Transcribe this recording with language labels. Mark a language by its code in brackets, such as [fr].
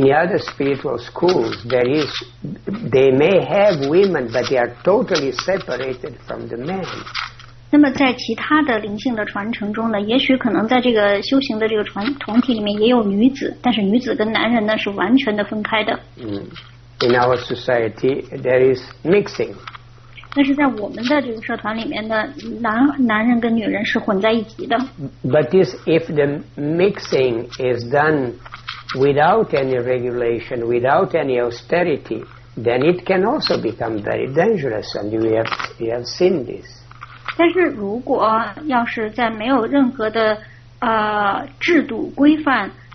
[en] the other spiritual schools, they may have women, but they are totally separated from the men. [zh] 那么在其他的灵性的传承中呢，也许可能在这个修行的这个团体里面也有女子，但是女子跟男人呢是完全的分开的。 [en] In our society, there is mixing. [zh] 但是在我们的这个社团里面呢，男人跟女人是混在一起的。 [en] But if the mixing is done without any regulation, without any austerity, then it can also become very dangerous, and we have seen this. [zh] 但是如果要是在没有任何的制度规范。